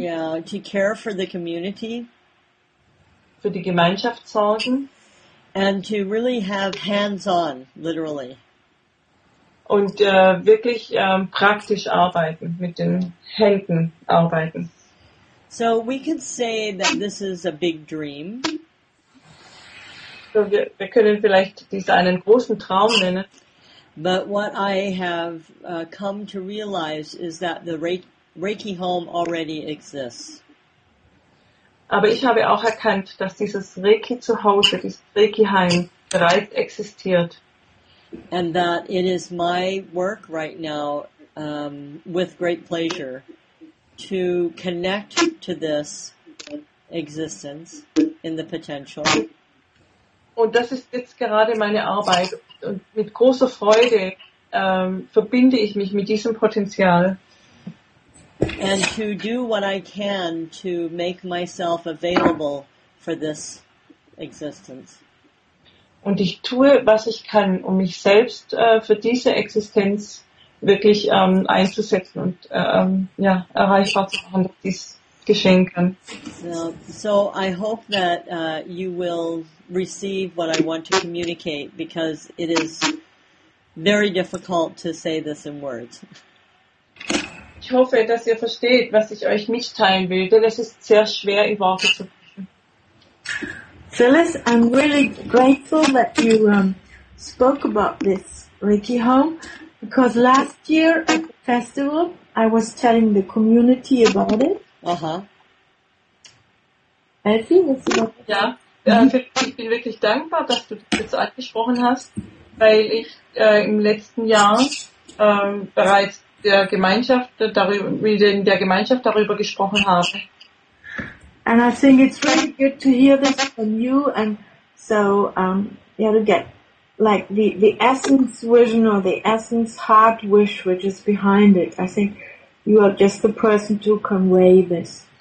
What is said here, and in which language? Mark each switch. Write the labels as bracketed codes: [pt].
[en] Yeah, to care for the community. [de] Für die Gemeinschaft sorgen. [en] And to really have hands-on, literally. [de] Und wirklich praktisch arbeiten, mit den Händen arbeiten. [en] So we could say that this is a big dream. [de] So wir können vielleicht dies einen großen Traum nennen. [en] But what I have come to realize is that the Reiki home already exists. [de] Aber ich habe auch erkannt, dass dieses Reiki Zuhause, dieses Reiki Heim bereits existiert. [en] And that it is my work right now, with great pleasure, to connect to this existence in the potential. [de] Und das ist jetzt gerade meine Arbeit. Und mit großer Freude verbinde ich mich mit diesem Potenzial. [en] And to do what I can to make myself available for this existence. [de] Und ich tue, was ich kann, um mich selbst für diese Existenz wirklich einzusetzen und erreichbar zu machen, dass dies geschehen kann. [en] So I hope that you will receive what I want to communicate, because it is very difficult to say this in words. [de] Ich hoffe, dass ihr versteht, was ich euch mitteilen will, denn es ist sehr schwer, in Worte zu fassen. [en] Phyllis, I'm really grateful that you spoke about this Reiki home, because last year at the festival, I was telling the community about it. Uh-huh. [de] Elfie, was du noch? Ja. Ich bin wirklich dankbar, dass du das jetzt angesprochen hast, weil ich im letzten Jahr bereits der Gemeinschaft darüber gesprochen habe. [en] And I think it's really good to hear this from you, and so, yeah, to get like the essence vision or the essence heart wish which is behind it. I think you are just the person to convey this.